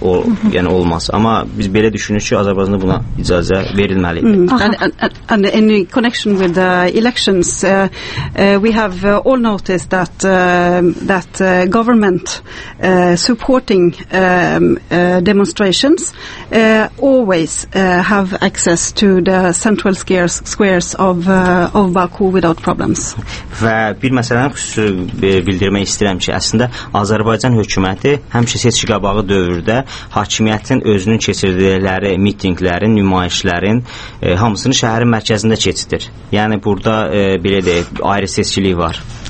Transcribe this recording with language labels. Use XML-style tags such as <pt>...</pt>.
<az>O yəni olmaz. Amma biz belə düşünürük ki, Azərbaycanda buna icazə verilməli idi.</az> <en>And in connection with the elections, we have all noticed that government supporting demonstrations always have access to the central squares of Baku without problems.</en> <az>Və bir məsələni xüsusi bildirmək istəyirəm ki, əslində Azərbaycan hökuməti həmişə seçki qabağı dövrdə hakimiyyətin özünün keçirdikləri mitinqlərin, nümayişlərin hamısını şəhərin mərkəzində keçirir. Yəni burada ayrı seçkilik var.</az>